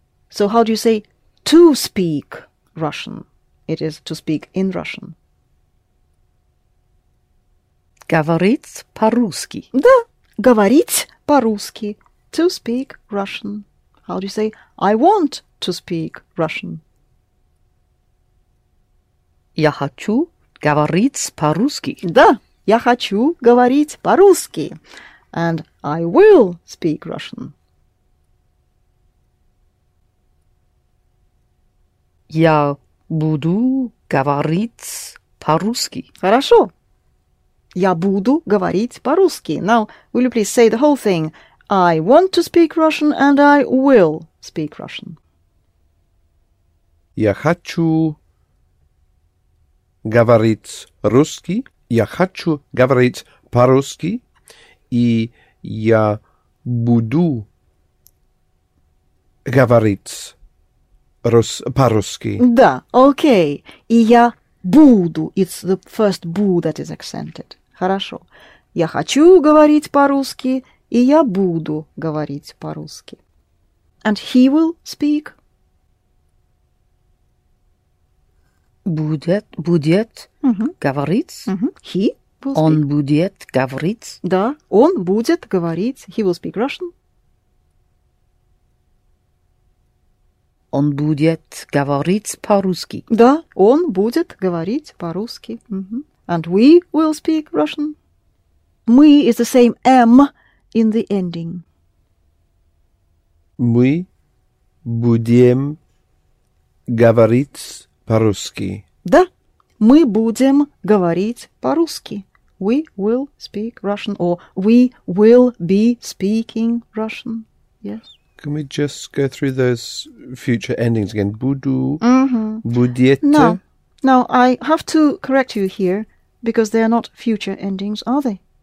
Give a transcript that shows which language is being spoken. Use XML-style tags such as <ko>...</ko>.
<en>So how do you say to speak Russian? It is to speak in Russian.</en> <ru>Говорить по-русски. Да, говорить по-русски.</ru> <en>To speak Russian. How do you say I want to speak Russian?</en> <ru>Я хочу говорить по-русски. Да, я хочу говорить по-русски.</ru> <en>And I will speak Russian.</en> <ru>Я буду говорить по-русски. Хорошо. Я буду говорить по-русски.</ru> <en>Now, will you please say the whole thing? I want to speak Russian and I will speak Russian.</en> <ru>Я хочу говорить русский. Я хочу говорить по-русски. И я буду говорить по-русски. Да, окей. И я буду.</ru> <en>It's the first «бу» that is accented.</en> <ru>Хорошо. Я хочу говорить по-русски. И я буду говорить по-русски.</ru> <en>And he will speak.</en> <ru>Будет mm-hmm. говорить.</ru> <en>Mm-hmm. He will</en> <ru>он</ru> <en>speak.</en> <ru>Будет говорить. Да, он будет говорить.</ru> <en>He will speak Russian.</en> <ru>Он будет говорить по-русски. Да, он будет говорить по-русски. Mm-hmm.</ru> <en>And we will speak Russian. Мы is the same M in the ending.</en> <ru>Мы будем говорить по-русски. Да, мы будем говорить по-русски.</ru> <en>We will speak Russian, or we will be speaking Russian. Yes. Can we just go through those future endings again?</en> <ru>Буду, mm-hmm. будете.</ru> <en>No. Now, I have to correct you here, because they are not future endings, are they?</en>